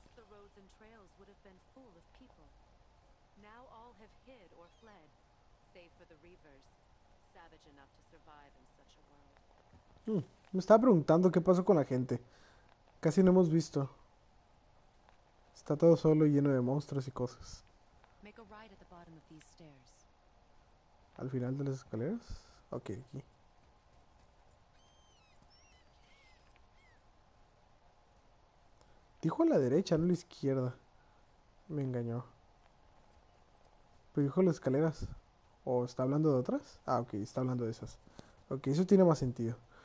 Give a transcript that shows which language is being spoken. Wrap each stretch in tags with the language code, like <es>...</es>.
<en>roads and trails would have been full of people. Now all have hid or fled, save for the Reavers, savage enough to survive in such a world.</en> <es>Me estaba preguntando qué pasó con la gente. Casi no hemos visto. Está todo solo y lleno de monstruos y cosas.</es> <en>Make a right at the bottom of these stairs.</en> <es>¿Al final de las escaleras? Ok, aquí. Dijo a la derecha, no a la izquierda. Me engañó. Pero dijo las escaleras. ¿O está hablando de otras? Ah, ok, está hablando de esas. Ok, eso tiene más sentido.</es>